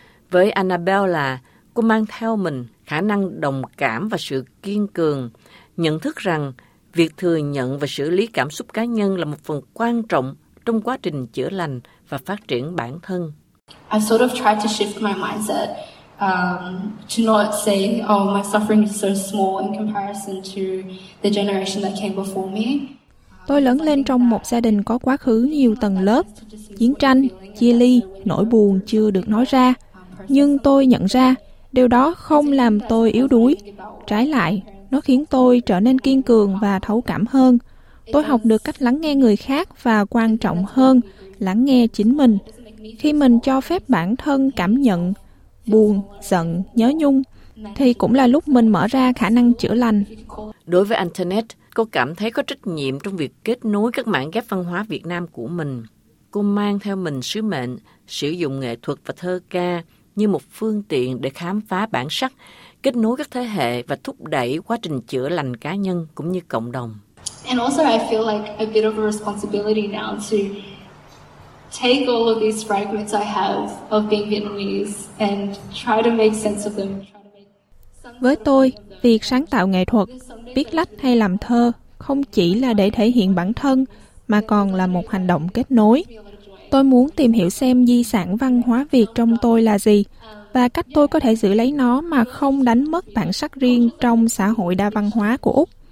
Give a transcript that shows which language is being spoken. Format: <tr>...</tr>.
<vi>Với Annabella, cô mang theo mình khả năng đồng cảm và sự kiên cường, nhận thức rằng việc thừa nhận và xử lý cảm xúc cá nhân là một phần quan trọng trong quá trình chữa lành và phát triển bản thân.</vi> <en>I sort of tried to shift my mindset to not say, oh, my suffering is so small in comparison to the generation that came before me.</en> <vi>Tôi lớn lên trong một gia đình có quá khứ nhiều tầng lớp, chiến tranh, chia ly, nỗi buồn chưa được nói ra. Nhưng tôi nhận ra, điều đó không làm tôi yếu đuối. Trái lại, nó khiến tôi trở nên kiên cường và thấu cảm hơn. Tôi học được cách lắng nghe người khác và quan trọng hơn, lắng nghe chính mình. Khi mình cho phép bản thân cảm nhận buồn, giận, nhớ nhung, thì cũng là lúc mình mở ra khả năng chữa lành. Đối với Internet, cô cảm thấy có trách nhiệm trong việc kết nối các mảng ghép văn hóa Việt Nam của mình. Cô mang theo mình sứ mệnh sử dụng nghệ thuật và thơ ca như một phương tiện để khám phá bản sắc, kết nối các thế hệ và thúc đẩy quá trình chữa lành cá nhân cũng như cộng đồng.</vi> <en>And also I feel like a bit of a responsibility now to take all of these fragments I have of being Vietnamese and try to make sense of them.</en> <vi>Với tôi, việc sáng tạo nghệ thuật, viết lách hay làm thơ không chỉ là để thể hiện bản thân mà còn là một hành động kết nối. Tôi muốn tìm hiểu xem di sản văn hóa Việt trong tôi là gì và cách tôi có thể giữ lấy nó mà không đánh mất bản sắc riêng trong xã hội đa văn hóa của Úc.</vi>